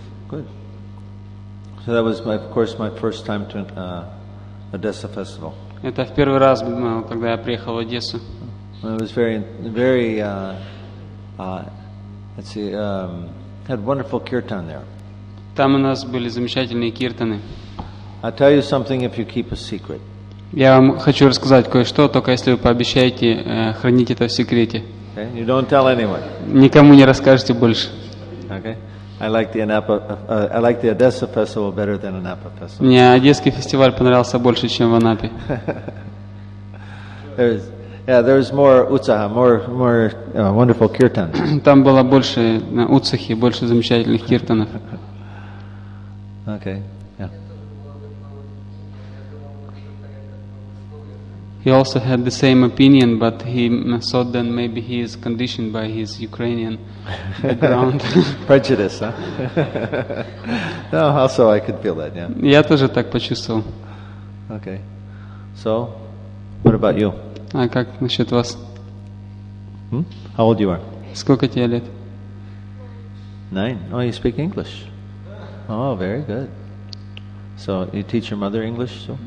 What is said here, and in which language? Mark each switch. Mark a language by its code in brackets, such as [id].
[en] Good. So that was, my, of course, my first time to Odessa festival. [ru] Это в первый раз, когда я приехал в Одессу. [en] It was very, very. Let's see. Had wonderful kirtan there. [ru] Там у нас были замечательные киртаны. [en] I'll tell you something if you keep a secret. [ru] Я вам хочу рассказать кое-что, только если вы пообещаете хранить это в секрете. [en] Okay. You don't tell anyone. [ru] Никому не расскажете больше. [en] Okay. I like the Anapa. I like the Odessa festival better than Anapa festival. [ru] Мне Одесский фестиваль понравился больше, чем в Анапе. [en] There's more utsaha, more wonderful kirtan. [ru] Там было больше утсахи, больше замечательных киртанов. [en] Okay. He also had the same opinion, but he thought that maybe he is conditioned by his Ukrainian background. Prejudice, huh? No, also I could feel that, yeah. [ru] Я тоже так почувствовал. [en] Okay. So, what about you? [ru] А как насчет вас? [en] How old you are? [ru] Сколько тебе лет? [en] 9. Oh, you speak English. Oh, very good. So, you teach your mother English, so?